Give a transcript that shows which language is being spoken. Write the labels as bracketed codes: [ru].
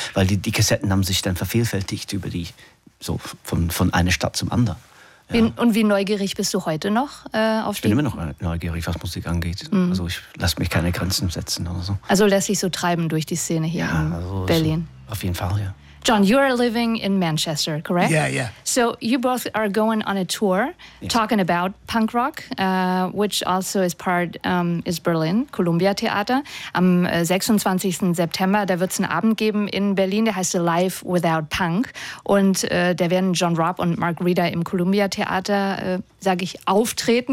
[de] Weil die Kassetten haben sich dann vervielfältigt über die, so von einer Stadt zum anderen. Ja. Wie neugierig bist du heute noch auf die? Ich bin immer noch neugierig, was Musik angeht. Mhm. Also ich lasse mich keine Grenzen setzen oder so. Also lässt sich so treiben durch die Szene hier in Berlin. So, auf jeden Fall, ja. [en] John, you are living in Manchester, correct? Yeah, yeah. So you both are going on a tour, yes, talking about punk rock, which also is part is Berlin, Columbia Theater. [de] Am 26. September, da wird es einen Abend geben in Berlin, der heißt Alive Without Punk. Und da werden John Robb und Marc Reeder im Columbia Theater, sage ich, auftreten.